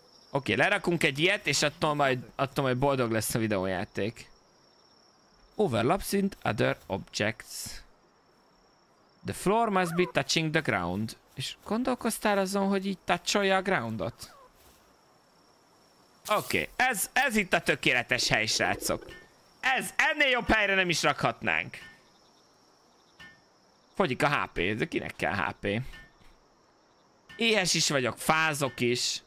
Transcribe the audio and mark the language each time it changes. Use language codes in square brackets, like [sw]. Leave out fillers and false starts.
[hu] Oké, okay, lerakunk egy ilyet, és attól majd boldog lesz a videójáték. Overlap szint, [en] other objects. The floor must be touching the ground. [hu] És gondolkoztál azon, hogy így touch-olja a groundot? Oké, okay. ez itt a tökéletes hely, srácok. Ez, ennél jobb helyre nem is rakhatnánk. Fogyik a HP, de kinek kell HP? Éhes is vagyok, fázok is.